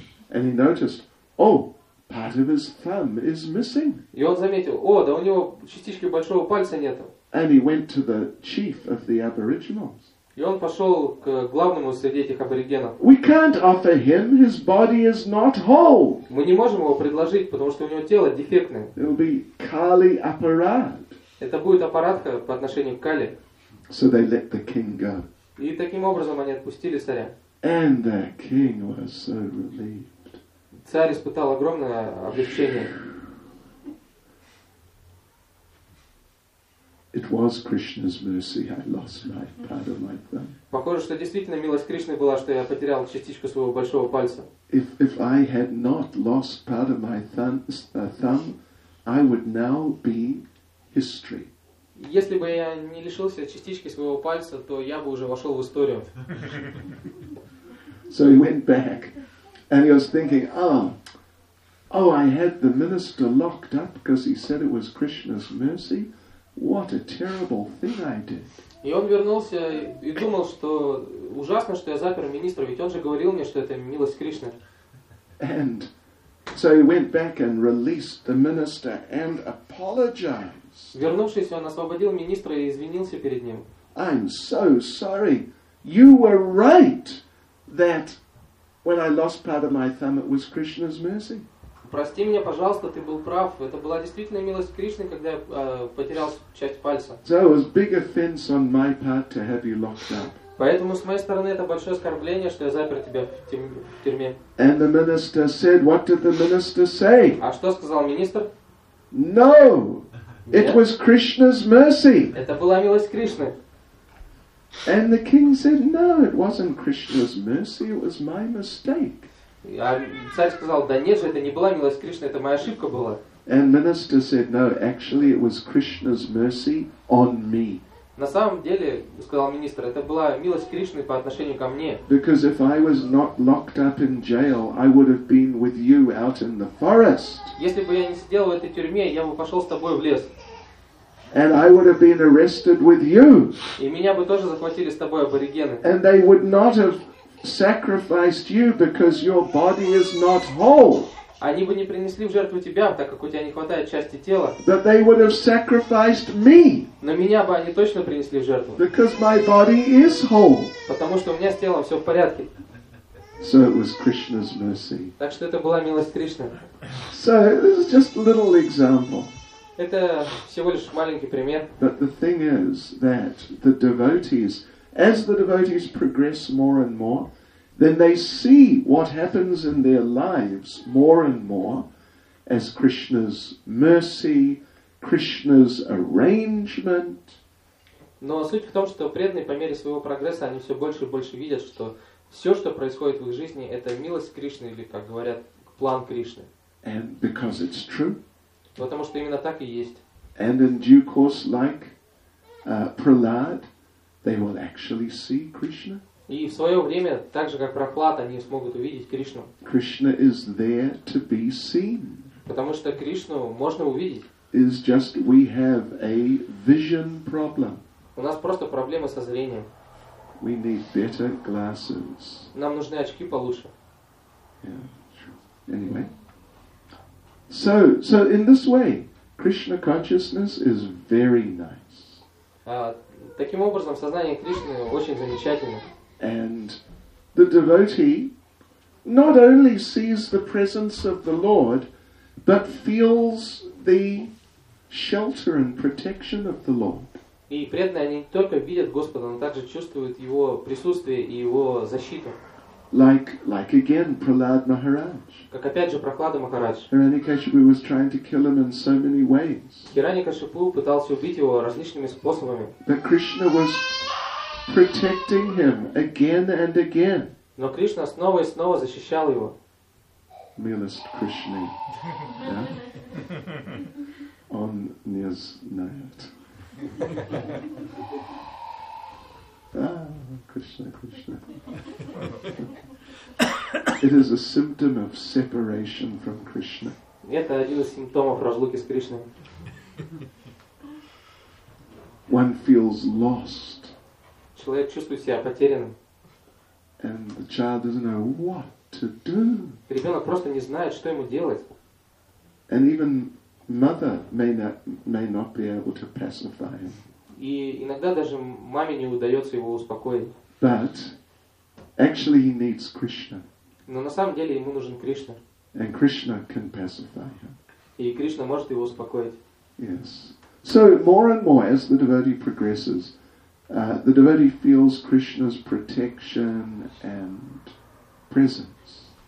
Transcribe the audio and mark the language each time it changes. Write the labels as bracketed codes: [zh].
[en] And he noticed, part of his thumb is missing. [ru] И он заметил, да у него частички большого пальца нету. [en] And he went to the chief of the aboriginals. [ru] И он пошел к главному среди этих аборигенов. [en] We can't offer him, his body is not whole. [ru] Мы не можем его предложить, потому что у него тело дефектное. [en] It'll be Kali apparat. [ru] Это будет аппаратка по отношению к Кали. [en] So they let the king go. [ru] И таким образом они отпустили царя. [en] And the king was so relieved. [ru] Царь испытал огромное облегчение. [en] It was Krishna's mercy. I lost my part of my thumb. [ru] Похоже, что действительно милость Кришны была, что я потерял частичку своего большого пальца. [en] If I had not lost part of my thumb, I would now be history. [ru] Если бы я не лишился частички своего пальца, то я бы уже вошел в историю. [en] So he went back, and he was thinking, I had the minister locked up because he said it was Krishna's mercy. What a terrible thing I did. [ru] И он вернулся и думал, что ужасно, что я запер министра, ведь он же говорил мне, что это милость Кришны. [en] And so he went back and released the minister and apologized. [ru] Вернувшись, он освободил министра и извинился перед ним. [en] I'm so sorry. You were right that when I lost part of my thumb, it was Krishna's mercy. [ru] Прости меня, пожалуйста, ты был прав. Это была действительно милость Кришны, когда я потерял часть пальца. [en] So it was big offense on my part to have you locked up. [ru] Поэтому с моей стороны это большое оскорбление, что я запер тебя в тюрьме. [en] And the minister said, what did the minister say? [ru] А что сказал министр? [en] No, it was Krishna's mercy. [ru] Это была милость Кришны. [en] And the king said, no, it wasn't Krishna's mercy, it was my mistake. [ru] А царь сказал, да нет же, это не была милость Кришны, это моя ошибка была. [en] And minister said, no, actually it was Krishna's mercy on me. [ru] На самом деле, сказал министр, это была милость Кришны по отношению ко мне. [en] Because if I was not locked up in jail, I would have been with you out in the forest. [ru] Если бы я не сидел в этой тюрьме, я бы пошел с тобой в лес. [en] And I would have been arrested with you. [ru] И меня бы тоже захватили с тобой аборигены. [en] And they would not have sacrificed you because your body is not whole. [ru] Они бы не принесли в жертву тебя, так как у тебя не хватает части тела. [en] But they would have sacrificed me. [ru] Но меня бы они точно принесли в жертву. [en] Because my body is whole. [ru] Потому что у меня с телом все в порядке. [en] So it was Krishna's mercy. [ru] Так что это была милость Кришны. [en] So this is just a little example. [ru] Это всего лишь маленький пример. [en] But the thing is that the devotees, as the devotees progress more and more, then they see what happens in their lives more and more as Krishna's mercy, Krishna's arrangement. [ru] Но суть в том, что преданные по мере своего прогресса, они все больше и больше видят, что все, что происходит в их жизни, это милость Кришны, или, как говорят, план Кришны. [en] And because it's true. [ru] Потому что именно так и есть. [en] And in due course, like Prahlad, they will actually see Krishna. [ru] И в свое время, так же как Прохлад, они смогут увидеть Кришну. [en] Krishna is there to be seen. [ru] Потому что Кришну можно увидеть. [en] It's just we have a vision problem. [ru] У нас просто проблема со зрением. [en] We need better glasses. [ru] Нам нужны очки получше. [en] Yeah, sure. Anyway. So in this way, Krishna consciousness is very nice. [ru] Таким образом, сознание Кришны очень замечательно. [en] And the devotee not only sees the presence of the Lord, but feels the shelter and protection of the Lord. [ru] И преданные не только видят Господа, но также чувствуют его присутствие и его защиту. [en] Like again, Prahlad Maharaj. [ru] Как опять же Прохлада Махарадж. [en] Hiranyakashipu was trying to kill him in so many ways. [ru] Hiranyakashipu пытался убить его различными способами. [en] But Krishna was protecting him again and again. [ru] Но Кришна снова и снова защищал его. Милост Кришны. [en] Yeah? [ru] Он не знает. [en] Krishna. It is a symptom of separation from Krishna. [ru] Это один из симптомов разлуки с Кришной. [en] One feels lost. [ru] Человек чувствует себя потерянным. [en] And the child doesn't know what to do. [ru] Ребенок просто не знает, что ему делать. [en] And even mother may not be able to pacify him. [ru] И иногда даже маме не удается его успокоить. [en] But actually he needs Krishna. [ru] Но на самом деле ему нужен Кришна. [en] And Krishna can pacify him. [ru] И Кришна может его успокоить. [en] Yes. So more and more as the devotee progresses, the devotee feels Krishna's protection and presence.